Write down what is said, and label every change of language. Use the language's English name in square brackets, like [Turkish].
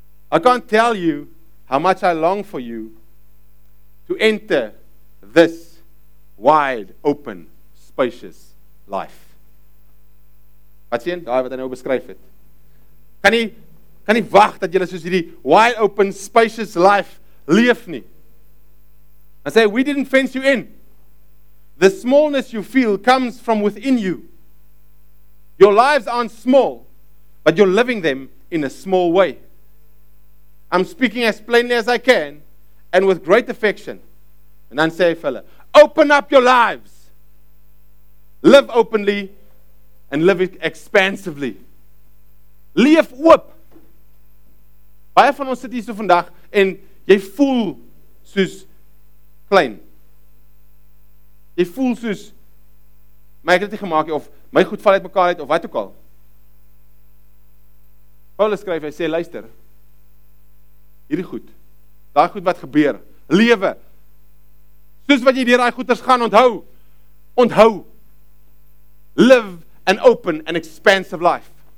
[English] I can't tell you how much I long for you to enter this wide, open, spacious life. [Afrikaans] Wat sien, daai wat hy nou beskryf het. Kan nie wag dat jy soos hierdie [English] wide open spacious life [Afrikaans] leef nie. [English] I say we didn't fence you in. The smallness you feel comes from within you. Your lives aren't small, but you're living them in a small way. I'm speaking as plainly as I can and with great affection. And then say, fella, open up your lives. Live openly and live expansively. [Afrikaans] Leef oop. Baie van ons sit hier so vandag en jy voel soos klein. Jy voel soos my ek het nie gemaak of my goed val uit mekaar uit of wat ook al. Paulus skryf, hy sê, luister, hierdie goed, daai goed wat gebeur, lewe, soos wat jy deur daai goeters gaan onthou, [English] live an open and expansive life.